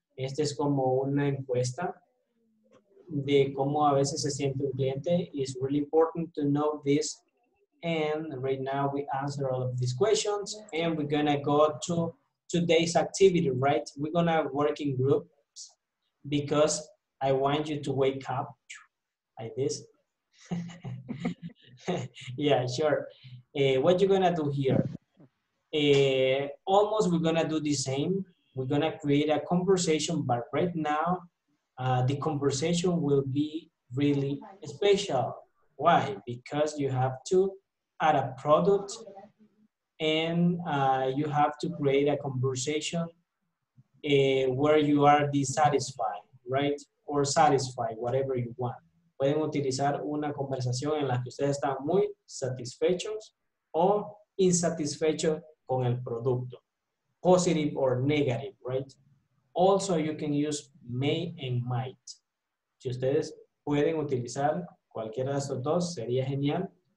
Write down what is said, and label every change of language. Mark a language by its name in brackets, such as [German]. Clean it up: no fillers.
[Spanish] Este es como una encuesta de cómo a veces se siente un cliente. [English] It's really important to know this. And right now we answer all of these questions and we're gonna go to today's activity, right? We're gonna work in groups because I want you to wake up like this. Yeah, sure. What you're gonna do here? Almost we're gonna do the same. We're gonna create a conversation, but right now the conversation will be really special. Why? Because you have to add a product and you have to create a conversation where you are dissatisfied, right? Or satisfied, whatever you want. [Spanish] Pueden utilizar una conversación en la que ustedes están muy satisfechos o insatisfechos con el producto. [English] Positive or negative, right? Also, you can use may and might. [Spanish] Si ustedes pueden utilizar cualquiera de estos dos, sería genial.